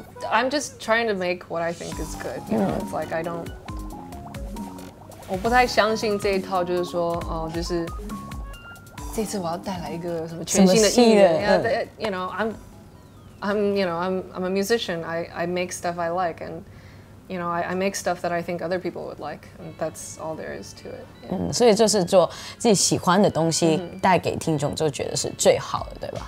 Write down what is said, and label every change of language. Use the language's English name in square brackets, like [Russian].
[English] I'm just trying to make what I think is good. You know, it's like I don't. [Chinese] 我不太相信这一套，就是说，哦，就是这次我要带来一个什么全新的艺人。 [English] You know, I'm a musician. I make stuff I like, and you know, I make stuff that I think other people would like, and that's all there is to it. [Chinese] 嗯，所以就是做自己喜欢的东西，带给听众就觉得是最好的，对吧？